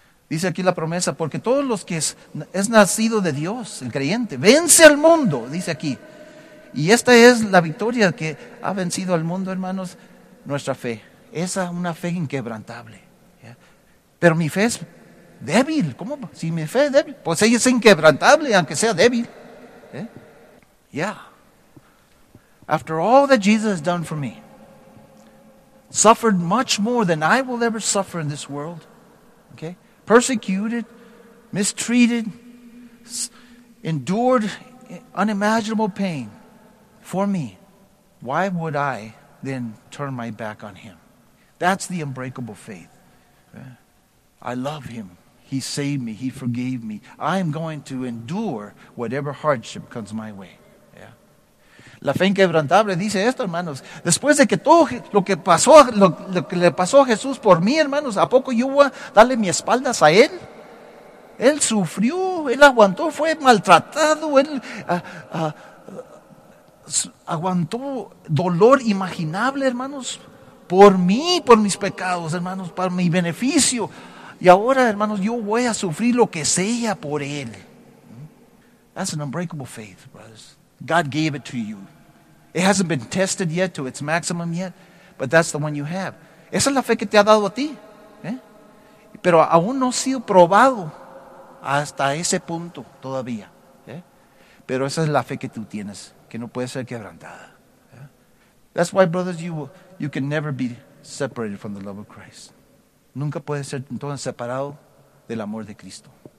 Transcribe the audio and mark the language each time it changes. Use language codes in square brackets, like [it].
[es] Dice aquí la promesa, porque todos los que es nacido de Dios, el creyente, vence al mundo, dice aquí. Y esta es la victoria que ha vencido al mundo, hermanos, nuestra fe. Esa es una fe inquebrantable. Pero mi fe es débil. ¿Cómo? Si mi fe es débil, pues ella es inquebrantable, aunque sea débil. ¿Eh? Yeah. [en] After all that Jesus has done for me, suffered much more than I will ever suffer in this world. Okay? Persecuted, mistreated, endured unimaginable pain for me. Why would I then turn my back on Him? That's the unbreakable faith. I love Him. He saved me. He forgave me. I'm going to endure whatever hardship comes my way. [es] Yeah. La fe inquebrantable dice esto, hermanos. Después de que todo lo que pasó, lo que le pasó a Jesús por mí, hermanos, ¿a poco yo voy a darle mi espalda a Él? Él sufrió, Él aguantó, fue maltratado, Él aguantó dolor imaginable, hermanos, por mí, por mis pecados, hermanos, para mi beneficio. Y ahora, hermanos, yo voy a sufrir lo que sea por Él. [en] That's an unbreakable faith, brothers. God gave it to you. It hasn't been tested yet to its maximum yet, but that's the one you have. [es] Esa es la fe que te ha dado a ti. ¿Eh? Pero aún no ha sido probado hasta ese punto todavía. ¿Eh? Pero esa es la fe que tú tienes, que no puede ser quebrantada. ¿Eh? [en] That's why, brothers, you can never be separated from the love of Christ. [es] Nunca puede ser entonces separado del amor de Cristo.